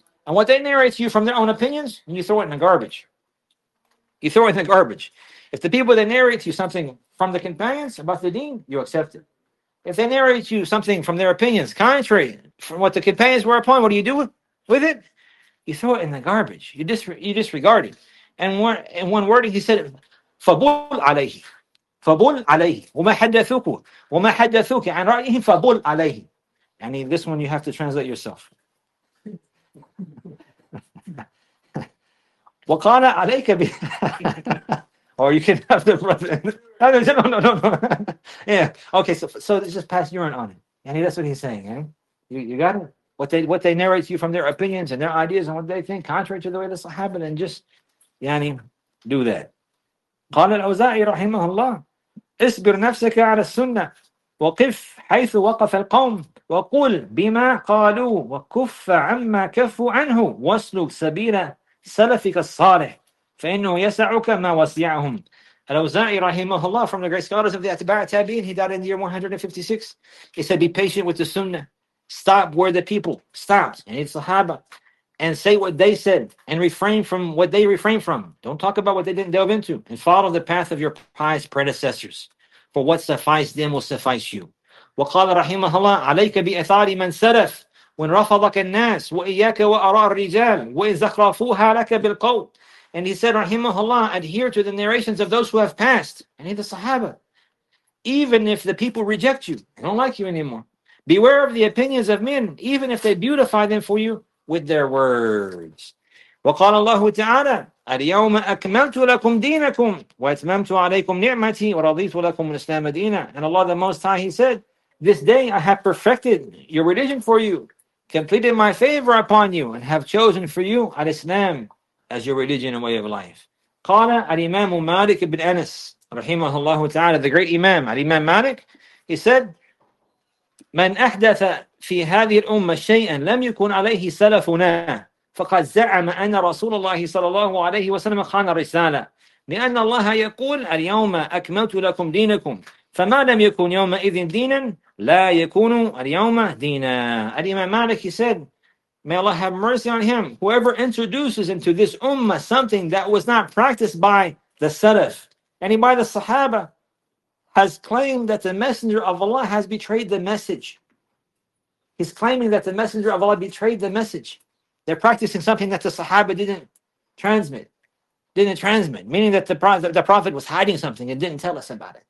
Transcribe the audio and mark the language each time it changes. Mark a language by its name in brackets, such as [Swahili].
[English] And what they narrate to you from their own opinions, and you throw it in the garbage. You throw it in the garbage. If the people that narrate to you something from the companions about the deen, you accept it. If they narrate to you something from their opinions, contrary from what the companions were upon, what do you do with it? You throw it in the garbage. You disregard it. And one word he said, [Arabic] فَبُلْ عَلَيْهِ فَبُلْ عَلَيْهِ وَمَا حَدَّثُكُ وَمَا حَدَّثُكَ عَنْ رَأْيِهِ فَبُلْ عَلَيْهِ. [English] And this one you have to translate yourself. [Arabic] وَقَالَ عَلَيْكَ بِهِ. [English] Or you can have the brother. No. Yeah. Okay, so just pass urine on it. And that's what he's saying, eh? You got it? what they narrate to you from their opinions and their ideas and what they think, contrary to the way this will happen, and just yani do that. [Arabic] قال الأوزاعي رحمه الله اصبر نفسك على السنة وقف حيث وقف القوم وقول بما قالوا وكف عما كفوا عنه واسلك سبيل سلفك الصالح فإنه يسعك ما وسعهم. [English] الأوزاعي رحمه الله, from the great scholars of the أتباع التابعين, he died in the year 156. He said, be patient with the Sunnah. Stop where the people stopped, and it's Sahaba, and say what they said, and refrain from what they refrained from. Don't talk about what they didn't delve into, and follow the path of your pious predecessors, for what sufficed them will suffice you. [Arabic] وقال رحمه الله عليك بإثار من سلف وإن رفضك الناس وإياك وأراء الرجال وإن زخرفوها لك بالقول. [English] And he said, رحمه الله, adhere to the narrations of those who have passed, and the Sahaba, even if the people reject you, they don't like you anymore. Beware of the opinions of men, even if they beautify them for you with their words. [Arabic] وقال الله تعالى اليوم أكملت لكم دينكم وأتممت عليكم نعمتي ورضيت لكم الإسلام دينا. [English] And Allah the Most High, He said, this day I have perfected your religion for you, completed my favor upon you, and have chosen for you al-Islam as your religion and way of life. [Arabic] قال الإمام مالك بن أنس رحمه الله تعالى, [English] the great Imam, [Arabic] الإمام مالك, he said, من أحدث في هذه الأمة شيئا لم يكن عليه سلفنا فقد زعم أن رسول الله صلى الله عليه وسلم خان الرسالة لأن الله يقول اليوم أكملت لكم دينكم فما لم يكن يومئذ دينا لا يكون اليوم دينا. [English] الإمام مالك, he said, may Allah have mercy on him, whoever introduces into this ummah something that was not practiced by the Salaf, and by the Sahaba, has claimed that the Messenger of Allah has betrayed the message. He's claiming that the Messenger of Allah betrayed the message. They're practicing something that the Sahaba didn't transmit, meaning that the Prophet was hiding something and didn't tell us about it.